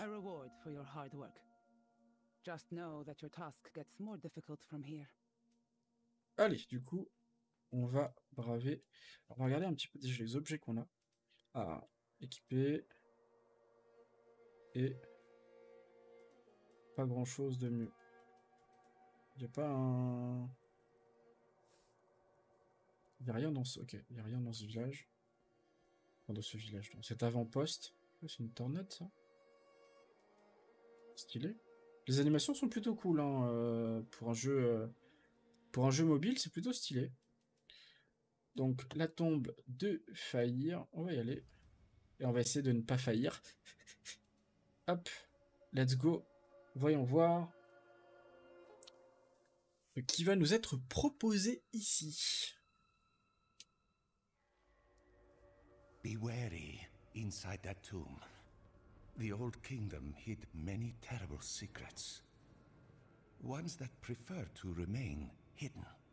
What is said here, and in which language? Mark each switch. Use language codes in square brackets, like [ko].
[en] A reward for your hard work. Just know that your task gets more difficult from here. [fr] Allez, du coup, on va braver. On va regarder un petit peu déjà les objets qu'on a à équiper. Et pas grand chose de mieux. Il n'y a pas un. Il n'y a rien dans ce. Ok, il n'y a rien dans ce village. Enfin, dans ce village, dans cet avant-poste. C'est une tornade, ça. Stylé. Les animations sont plutôt cool, hein, pour un jeu mobile, c'est plutôt stylé. Donc, la tombe de Faïr. On va y aller. Et on va essayer de ne pas faillir. Hop. [en] Let's go. [fr] Voyons voir. Qui va nous être proposé ici. [en] Be wary. Inside that tomb, the old kingdom hid many terrible secrets. Ones that prefer to remain hidden.